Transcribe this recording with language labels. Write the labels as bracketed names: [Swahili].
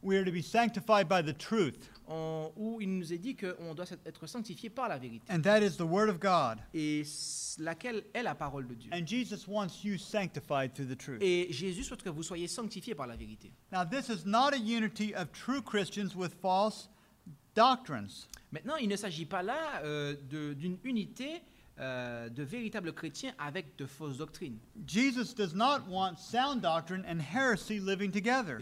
[English] We are to be sanctified by the truth. [French] Où il nous est dit qu'on doit être sanctifié par la vérité. [English] And that is the word of God. [French] Et laquelle est la parole de Dieu. [English] And Jesus wants you sanctified through the truth. [French] Et Jésus souhaite que vous soyez sanctifié par la vérité. [English] Now this is not a unity of true Christians with false doctrines. [French] Maintenant, il ne s'agit pas là d'une unité de véritables chrétiens avec de fausses doctrines. [English] Jesus does not want sound doctrine and heresy living together.